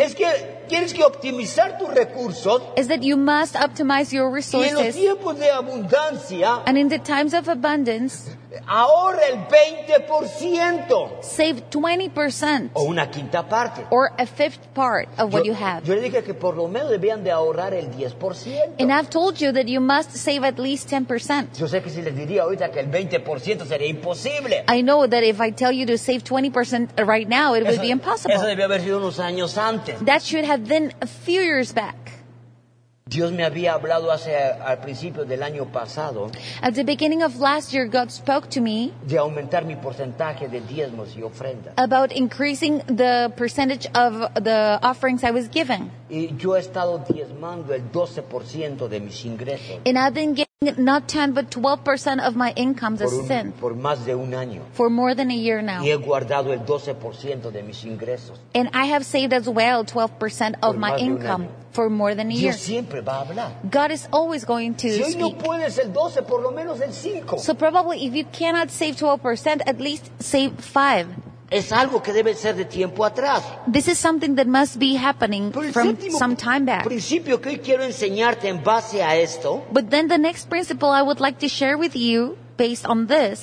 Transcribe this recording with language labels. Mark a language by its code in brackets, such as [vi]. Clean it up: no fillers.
[es] es que tienes que optimizar tus recursos, [en] is that you must optimize your resources. [es] Y en los tiempos de abundancia, [en] and in the times of abundance, [es] ahorra el 20%. [en] Save 20%. [es] O una quinta parte. [en] Or a fifth part of what you have. [es] Yo le dije que por lo menos debían de ahorrar el 10%. [en] And I've told you that you must save at least 10%. [es] Yo sé que si les diría ahorita que el 20% sería imposible. [en] I know that if I tell you to save 20% right now, it would be impossible. [es] Eso debía haber sido unos años antes. [en] That should have been a few years back. [es] Dios me había hablado hace al principio del año pasado. [en] At the beginning of last year, God spoke to me. [es] De aumentar mi porcentaje de diezmos y ofrendas. [en] About increasing the percentage of the offerings I was given. [es] Y yo he estado diezmando el 12% de mis ingresos. [en] And I've been getting not 10 but 12% of my incomes as sin. [es] Por más de un año. [en] For more than a year now. [es] Y he guardado el 12% de mis ingresos. [en] And I have saved as well 12% of my income. For more than a year. [es] Dios siempre va a hablar. [en] God is always going to [es] si [en] speak. [es] No puedes el 12, por lo menos el 5. [en] So probably if you cannot save 12%, at least save 5. [es] Es algo que debe ser de tiempo atrás. [en] This is something that must be happening from some time back. [es] Principio que hoy quiero enseñarte en base a esto. [en] But then the next principle I would like to share with you based on this.